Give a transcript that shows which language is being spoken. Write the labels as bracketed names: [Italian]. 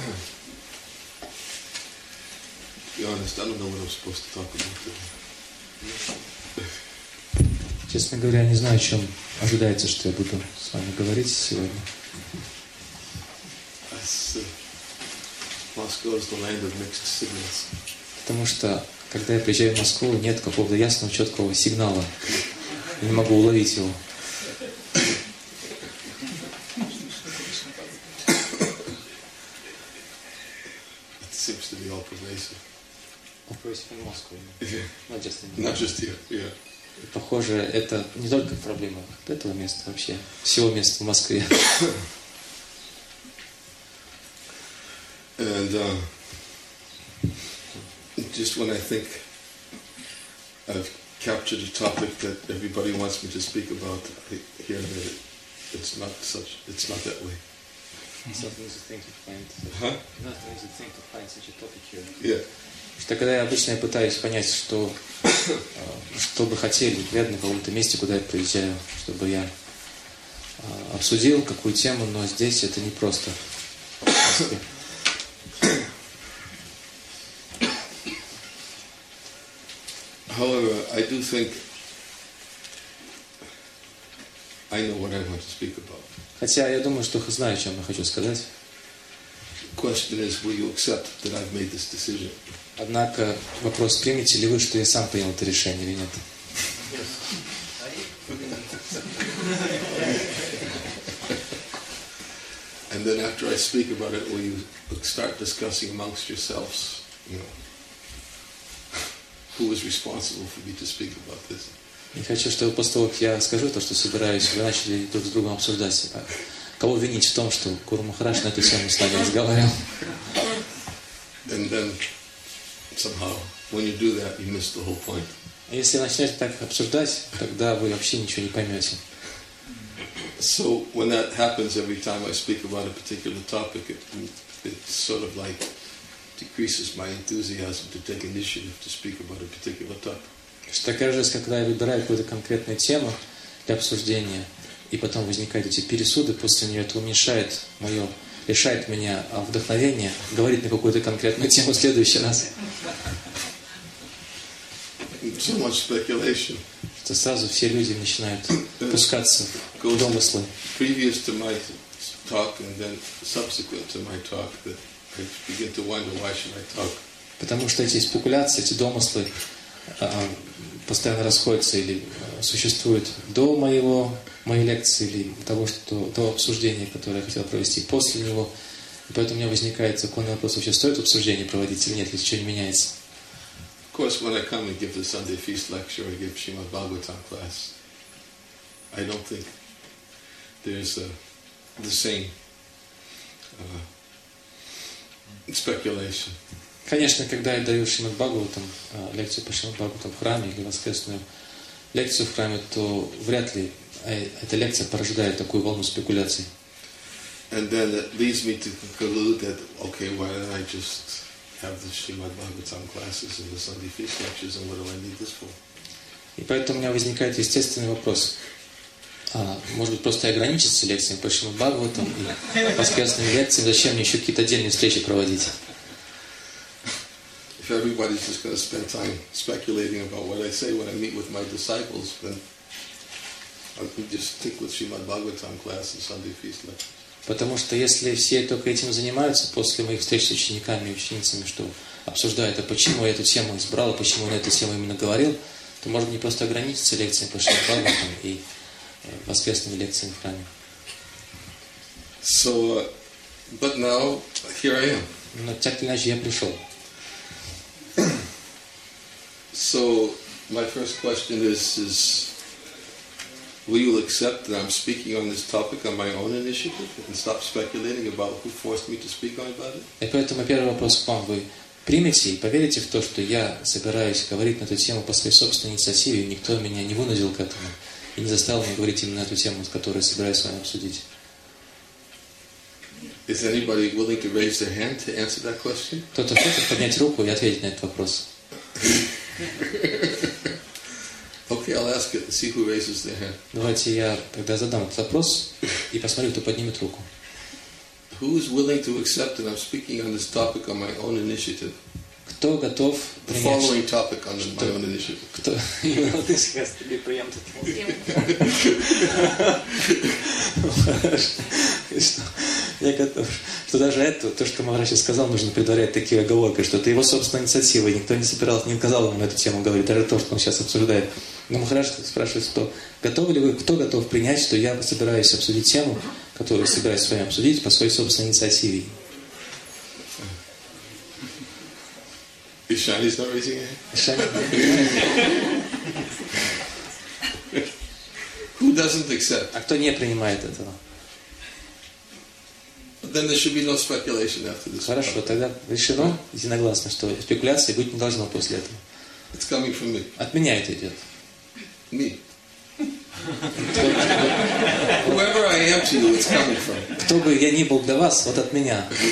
[English] To be honest, I don't know what I'm supposed to talk about today. [Russian] Честно говоря, я не знаю, о чем ожидается, что я буду с вами говорить сегодня. [English] Moscow is the land of mixed signals. [Russian] Потому что, когда я приезжаю в Москву, нет какого-то ясного, четкого сигнала. Я не могу уловить его. [English] It seems to be all pervasive. Operation in Moscow. Not just in Moscow. Not just here, yeah. [Russian] Похоже, это не только проблема этого места вообще, всего места в Москве. [English] And just when I think I've captured a topic that everybody wants me to speak about, I hear that it's not that way. It's not an easy thing to find. Not an easy thing to find such a topic here. Yeah. [Russian] Что когда я обычно пытаюсь понять, что бы хотели преданные в каком-то месте, куда я приезжаю, чтобы я обсудил какую тему, но здесь это не просто. [English] However, I do think I know what I want to speak about. [Russian] Хотя я думаю, что знаю, о чем я хочу сказать. [English] Question is, will you accept that I've made this decision? [Russian] Однако вопрос, примете ли вы, что я сам принял это решение или нет? [English] And then after I speak about it, will you start discussing amongst yourselves, you know, who is responsible for me to speak about this? [Russian] Я хочу, чтобы после того, как я скажу то, что собираюсь, вы начали друг с другом обсуждать, кого винить в том, что Гуру Махарадж на эту тему с нами разговаривал. [English] And then somehow, when you do that, you miss the whole point. [Russian] Если начнете так обсуждать, тогда вы вообще ничего не поймете. [English] So when that happens every time I speak about a particular topic, it sort of like decreases my enthusiasm to take initiative to speak about a particular topic. [Russian] Что кажется, когда я выбираю какую-то конкретную тему для обсуждения, и потом возникают эти пересуды после нее, это уменьшает мое лишает меня вдохновения говорить на какую-то конкретную тему в следующий раз. [English] So much speculation. [Russian] Что сразу все люди начинают пускаться в домыслы. [English] Previous to my talk and then subsequent to my talk, that I begin to wonder why should I talk. [Russian] Потому что эти спекуляции, эти домыслы постоянно расходятся или существуют до моего моей лекции или того обсуждения, которое я хотел провести после него. И поэтому у меня возникает законный вопрос, вообще стоит обсуждение проводить или нет, если что-нибудь меняется. [English] Of course, when I come and give the Sunday feast lecture or give Srimad Bhagavatam class, I don't think there's the same speculation. [Russian] Конечно, когда я даю Шримад Бхагаватам лекцию по Шримад Бхагаватам в храме или воскресную лекцию в храме, то вряд ли эта лекция порождает такую волну спекуляций. [English] And then it leads me to conclude that, okay, why don't I just have the Srimad Bhagavatam classes and the Sunday feast lectures, and what do I need this for? [Russian] И поэтому у меня возникает естественный вопрос. Может быть, просто ограничиться лекциями по Шримад Бхагаватам и воскресными лекциями? Зачем мне еще какие-то отдельные встречи проводить? [English] If everybody's just going to spend time speculating about what I say when I meet with my disciples, then I can just stick with Srimad Bhagavatam class and Sunday feast lectures. [Russian] Потому что если все только этим занимаются после моих встреч с учениками и ученицами, что обсуждают, а почему я эту тему избрал, почему я на эту тему именно говорил, то можно не просто ограничиться лекциями по Шримад-Бхагаватам и воскресными лекциями в храме. [English] So, but now, here I am. [Russian] Но так или иначе, я пришел. [English] So, my first question is, will you accept that I'm speaking on this topic on my own initiative and stop speculating about who forced me to speak on about it? [Russian] И поэтому первый вопрос к вам: вы примете и поверите в то, что я собираюсь говорить на эту тему по своей собственной инициативе, никто меня не вынудил к этому и не заставил меня говорить именно на эту тему, которую собираюсь с вами обсудить? [English] Is anybody willing to raise their hand to answer that question? [Russian] Кто-то хочет поднять руку и ответить на этот вопрос? [English] Okay, I'll ask it and see who raises their hand. [Russian] Давайте я тогда задам этот вопрос и посмотрю, кто поднимет руку. [English] Who is willing to accept that I'm speaking on this topic on my own initiative? [Russian] Кто готов принять? [English] The following topic on my own initiative. [Russian] Кто? Я готов, что даже это, то, что Махарадж сейчас сказал, нужно предварять такие оговорки, что это его собственная инициатива, и никто не собирался, не указал ему на эту тему говорить, даже то, что он сейчас обсуждает. Но Махарадж спрашивает, кто готов принять, что я собираюсь обсудить тему, которую собираюсь с вами обсудить по своей собственной инициативе. [English] Ишани's not raising it. Ишани. Who doesn't accept? [Russian] А кто не принимает этого? [English] Then there should be no speculation after this. [Russian] Хорошо, [English] problem. [Russian] Тогда решено, единогласно, что спекуляции быть не должно после этого. [English] It's coming from me. [Russian] От меня это идет. [English] Me. Whoever I am to you, it's coming from. [Russian] Кто бы я ни был для вас, вот от меня.